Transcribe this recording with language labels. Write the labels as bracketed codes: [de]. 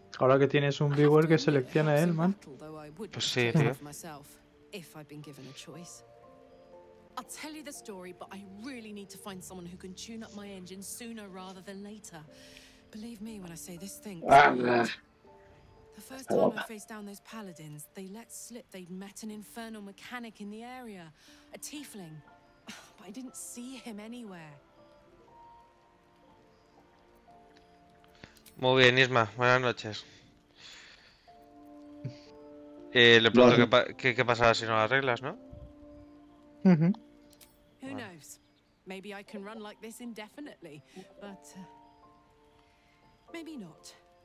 [es] Ahora que tienes un viewer que selecciona él, man. Pues sí, tío. [en] If I've been given a choice. I'll tell you the story, but I really need to find someone who can tune up my engine sooner rather than later. Believe me when I say this thing. The first time I faced down those paladins, they let slip they'd met an infernal mechanic in the area, a tiefling. But I didn't see him anywhere. [es] Muy bien, Isma, buenas noches. Le pregunto qué pasará si no las arreglas, ¿no? Uh-huh. [en] Who knows? Maybe I can run like this indefinitely, but maybe not.